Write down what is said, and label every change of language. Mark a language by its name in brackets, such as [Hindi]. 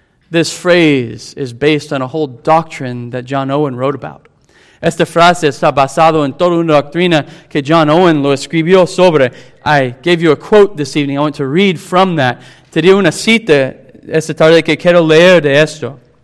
[English] This phrase is based on a whole doctrine that John Owen wrote about. [Spanish] Esta frase está basado en toda una doctrina que John Owen lo escribió sobre. [English] I gave you a quote this evening. I want to read from that. [Spanish] Te di una cita esta tarde que quiero leer de esto.